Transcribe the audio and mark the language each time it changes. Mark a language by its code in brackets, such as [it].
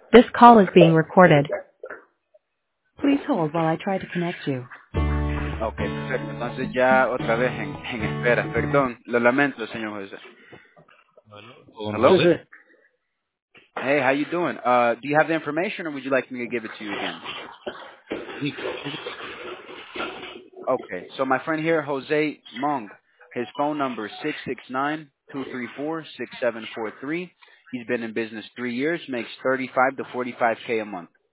[en] This call is being recorded. Please hold while I try to connect you. [es] Ok, perfecto. Entonces ya otra vez en espera. Perdón, lo lamento, señor José. [en] ¿Hello? Hey, how you doing? Do you have the information or would you like me to give it to you again? Okay, so my friend here, Jose Monk, his phone number is 669-234-6743. He's been in business 3 years, makes 35 to 45K a month.